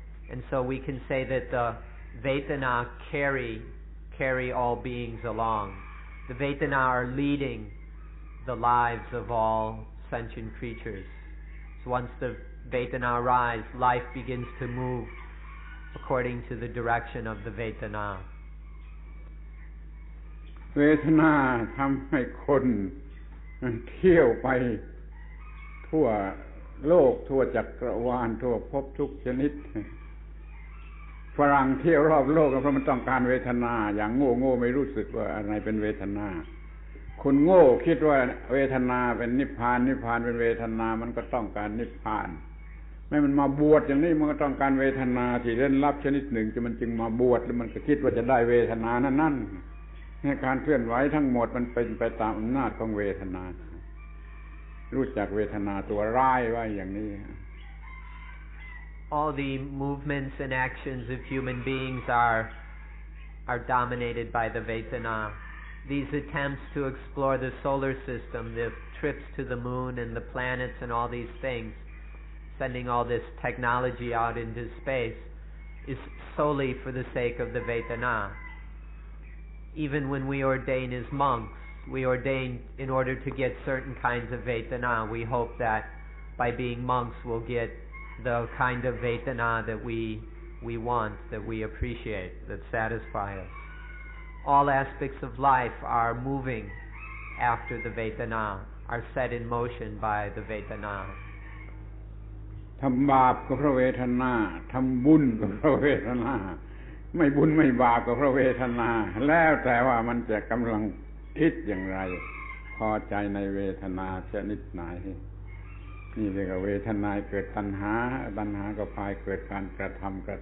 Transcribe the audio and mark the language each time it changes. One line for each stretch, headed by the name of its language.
English: And so we can say that the Vedana carry all beings along. The Vedana are leading the lives of all sentient creatures. So once the Vedana arise, life begins to move according to the direction of the Vedana.
Thai: เวทนาทำให้คนเที่ยวไปทั่วโลกทั่วจักรวาลทั่วภพทุกชนิดฝรั่งเที่ยวรอบโลกเพราะมันต้องการเวทนาอย่างโง่ไม่รู้สึกว่าอะไรเป็นเวทนา คนโง่คิดว่าเวทนาเป็นนิพพานนิพพานเป็นเวทนามันก็ต้องการนิพพานแม้มันมาบวชอย่างนี้มันก็ต้องการเวทนาที่เล่นลับชนิดหนึ่งที่มันจึงมาบวชแล้วมันก็คิดว่าจะได้เวทนานั่นในการเคลื่อนไหวทั้งหมดมันเป็นไปตามอำนาจของเวทนารู้จักเวทนาตัวร้ายไว้อย่างนี้
English: All the movements and actions of human beings are dominated by the Vedana. These attempts to explore the solar system, the trips to the moon and the planets and all these things, sending all this technology out into space, is solely for the sake of the Vedana. Even when we ordain as monks, we ordain in order to get certain kinds of vedana. We hope that by being monks we'll get the kind of vedana that we want, that we appreciate, that satisfy us. All aspects of life are moving after the vedana, are set in motion by the vedana.
Thai: ทำบาปก็เพราะเวทนาทำบุญก็เพราะเวทนาไม่บุญไม่บาปก็เพราะเวทนาแล้วแต่ว่ามันจะกำลังคิดอย่างไรพอใจในเวทนาชนิดไหนนี่เรียกว่าเวทนาเกิดตัณหาตัณหาก็พายเกิดการกระทำ